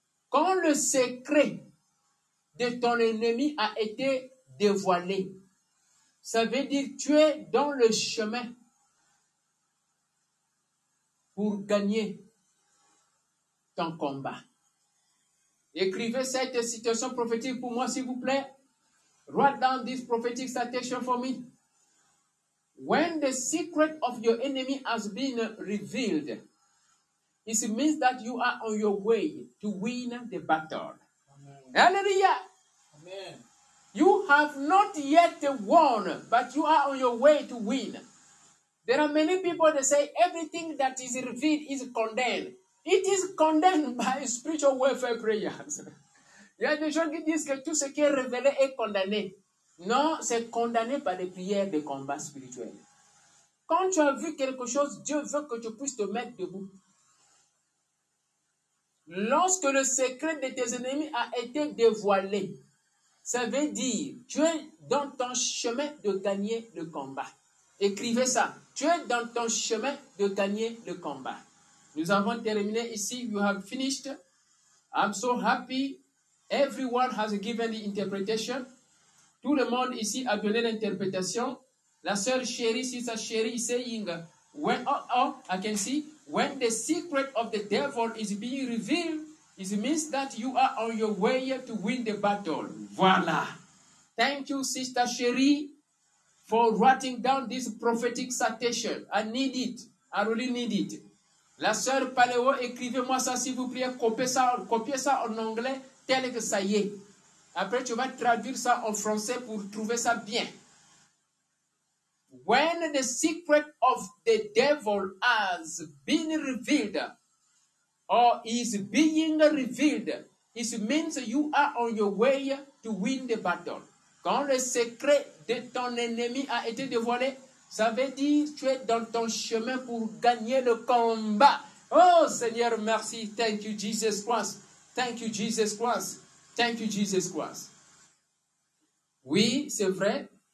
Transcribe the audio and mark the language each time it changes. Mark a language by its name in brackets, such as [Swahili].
[French] Quand le secret de ton ennemi a été dévoilé, ça veut dire que tu es dans le chemin pour gagner ton combat. Écrivez cette citation prophétique pour moi, s'il vous plaît. [English] Write down this prophetic citation for me. When the secret of your enemy has been revealed, it means that you are on your way to win the battle. Amen. Hallelujah. Amen. You have not yet won, but you are on your way to win. There are many people that say everything that is revealed is condemned. It is condemned by spiritual warfare prayers. [French] Il y a des gens qui disent que tout ce qui est révélé est condamné. Non, c'est condamné par les prières de combat spirituel. Quand tu as vu quelque chose, Dieu veut que tu puisses te mettre debout. Lorsque le secret de tes ennemis a été dévoilé, ça veut dire tu es dans ton chemin de gagner le combat. Écrivez ça. Tu es dans ton chemin de gagner le combat. Nous avons terminé ici. [English] You have finished. I'm so happy. Everyone has given the interpretation. [French] Tout le monde ici a donné l'interprétation. [English] La sœur Sherry, Sister Sherry, saying, when, I can see, when the secret of the devil is being revealed, it means that you are on your way to win the battle. Voilà. Thank you, Sister Sherry, for writing down this prophetic citation. I need it. I really need it. [French] La sœur Paléo, écrivez-moi ça, s'il vous plaît. Copiez ça en anglais. Tel que ça y est. Après, tu vas traduire ça en français pour trouver ça bien. [English] When the secret of the devil has been revealed or is being revealed, it means you are on your way to win the battle. [French] Quand le secret de ton ennemi a été dévoilé, ça veut dire que tu es dans ton chemin pour gagner le combat. Oh Seigneur, merci. [English] Thank you, Jesus Christ. Thank you, Jesus Christ. Thank you, Jesus Christ. [French] Oui, c'est vrai.